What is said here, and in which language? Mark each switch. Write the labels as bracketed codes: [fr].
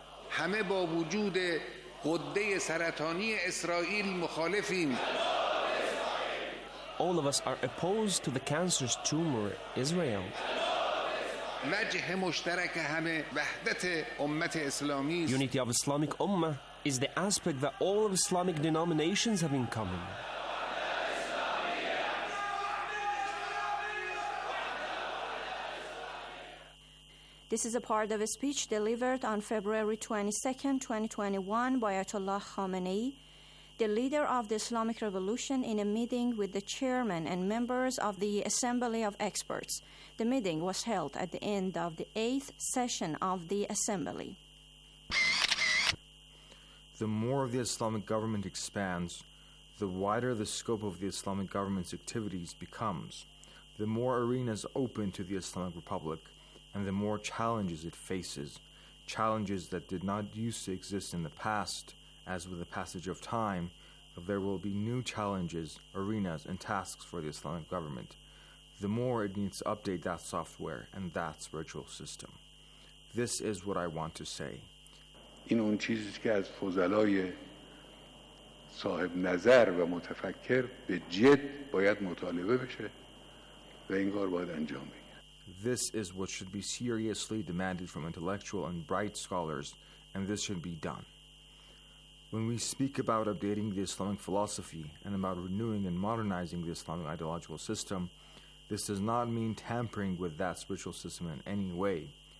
[fa] همه با وجود قده سرطانی اسرائیل مخالفیم [en] All of us are opposed to the cancerous tumor Israel [fa] وجه مشترک همه وحدت امت اسلامی [en] Unity of Islamic Ummah is the aspect that all of Islamic denominations have in common. This is a part of a speech delivered on February 22, 2021 by Ayatollah Khamenei, the leader of the Islamic Revolution, in a meeting with the chairman and members of the Assembly of Experts. The meeting was held at the end of the eighth session of the Assembly. The more the Islamic government expands, the wider the scope of the Islamic government's activities becomes, the more arenas open to the Islamic Republic, and the more challenges it faces, challenges that did not used to exist in the past, as with the passage of time, that there will be new challenges, arenas, and tasks for the Islamic government, the more it needs to update that software and that spiritual system. This is what I want to say. [fa] این اون چیزی که از فضلای صاحب نظر و متفکر به جد باید مطالبه بشه و این کار باید انجام بگیره. [en] This is what should be seriously demanded from intellectual and bright scholars, and this should be done. When we speak about updating the Islamic philosophy and about renewing and modernizing the Islamic ideological system, this does not mean tampering with that spiritual system in any way.